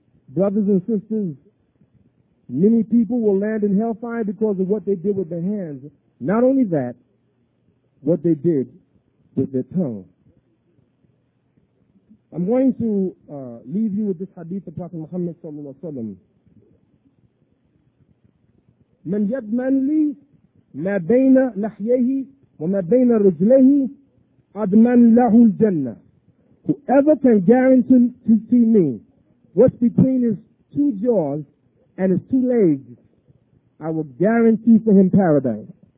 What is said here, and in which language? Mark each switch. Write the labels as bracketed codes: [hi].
[en] Brothers and sisters, many people will land in hellfire because of what they did with their hands. Not only that, what they did with their tongue. I'm going to leave you with this hadith of Prophet Muhammad sallallahu alaihi wasallam. [ar] من يضمن لي ما بين لحيه وما بين رجليه أضمن له الجنة. [en] Whoever can guarantee to see me what's between his two jaws and his two legs, I will guarantee for him paradise.